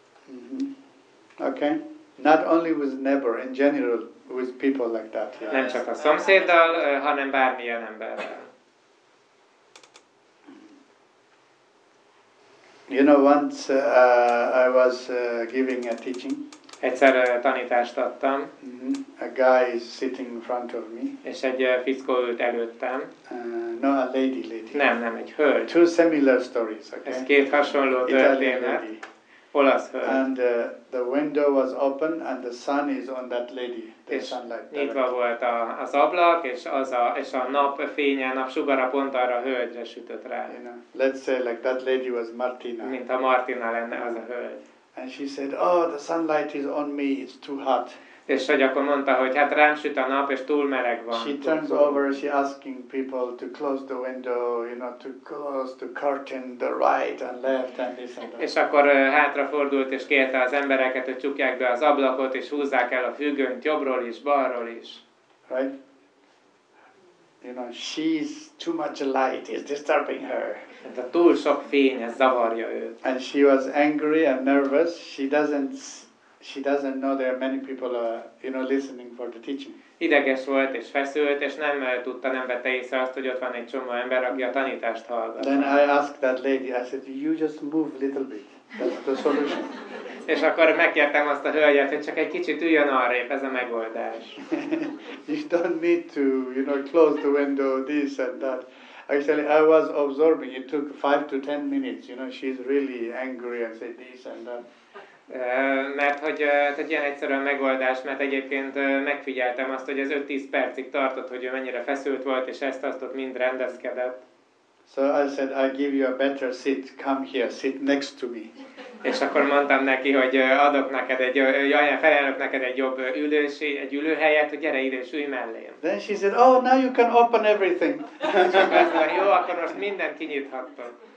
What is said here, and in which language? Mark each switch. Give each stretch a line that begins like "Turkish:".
English: Mm-hmm. Okay. Not only with neighbor, in general, with people like that. Yeah.
Hungarian: Nem csak a szomszéddal, hanem bármilyen emberrel.
English: You know, once I was giving a teaching.
Hungarian: Egyszer tanítást adtam.
English: Mm-hmm. A guy is sitting in front of me.
Hungarian: És egy fickó ült előttem.
English: No, a lady.
Hungarian: Nem, egy hölgy.
English: Two similar stories, okay?
Hungarian: Ez két hasonló történet. Olasz hölgy.
English: And the window was open and the sun is on that lady. The
Hungarian: és
English: sunlight.
Hungarian: Nyitva volt az ablak és a napfénye, napsugara pont arra a hölgyre sütött rá.
English: You know, let's say like that lady was Martina.
Hungarian: Mint a Martina lenne az a hölgy.
English: And she said, "Oh, the sunlight is on me. It's too hot."
Hungarian: És hogy akkor mondta, hogy hát rám süt a nap, és túl meleg van.
English: She turns over, she asking people to close the window, you know, to close the curtain, the right and left and this and that.
Hungarian: És akkor hátrafordult, és kérte az embereket, hogy csukják be az ablakot, és húzzák el a függönyt jobbról is, balról is.
English: Right? You know, she's too much light, it's disturbing her.
Hungarian: De túl sok fény, ez zavarja őt.
English: And she was angry and nervous, she doesn't know there are many people you know listening for the teaching.
Hungarian: Ideges volt és feszült és nem tudta, nem vette észre azt, hogy ott van egy csomó ember, aki a tanítást hallgat.
English: Then I asked that lady, I said, you just move a little bit. That's the solution.
Hungarian: És akkor megkértem azt a hölgyet, hogy csak egy kicsit üljön arrébb, ez a megoldás.
English: You don't need to, you know, close the window, this and that. Actually, I was absorbing. It took 5 to 10 minutes. You know, she's really angry. I said this and that.
Hungarian: Mert hogy egy ilyen egyszerűen megoldás, mert egyébként megfigyeltem azt, hogy ez 5-10 percig tartott, hogy ő mennyire feszült volt, és ezt azt ott mind rendezkedett.
English: So I said, I give you a better seat. Come here, sit next to me.
Hungarian: És akkor mondtam neki, hogy adok neked egy, jaj, felállok neked egy jobb ülőség, egy ülőhelyet, hogy gyere ide, sülj mellém.
English: Then she said, oh, now you can open everything.
Hungarian: Jó, akkor most mindent kinyithattam.